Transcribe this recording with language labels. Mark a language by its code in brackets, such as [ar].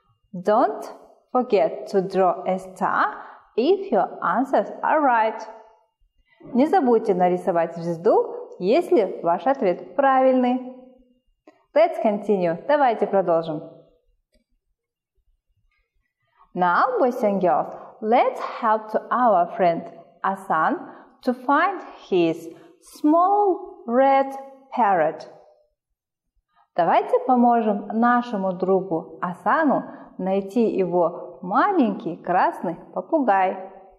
[en] Don't forget to draw a star if your answers are right. [ru] Не забудьте нарисовать звезду, если ваш ответ правильный. [en] Let's continue. [ru] Давайте продолжим. [en] Now, boys and girls, let's help to our friend Asan to find his small red parrot. [ru] Давайте поможем нашему другу Асану найти его маленький красный попугай.